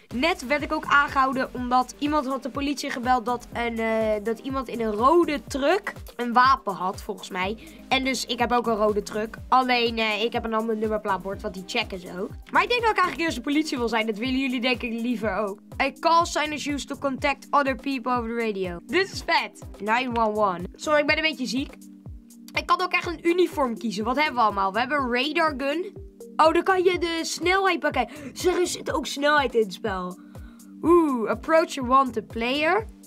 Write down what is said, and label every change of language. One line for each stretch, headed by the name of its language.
Dutch: Net werd ik ook aangehouden omdat iemand had de politie gebeld dat iemand in een rode truck een wapen had, volgens mij. En dus ik heb ook een rode truck. Alleen ik heb een ander nummerplaatbord, want die checken zo. Maar ik denk dat ik eigenlijk eerst de politie wil zijn. Dat willen jullie denk ik liever ook.
English: A call sign is used to contact other people over the radio.
Dutch: Dit is vet. 911. Sorry, ik ben een beetje ziek. Ik kan ook echt een uniform kiezen. Wat hebben we allemaal? We hebben een radar gun. Oh, dan kan je de snelheid pakken. Zeg, er zit ook snelheid in het spel.
English: Oeh, approach a wanted player.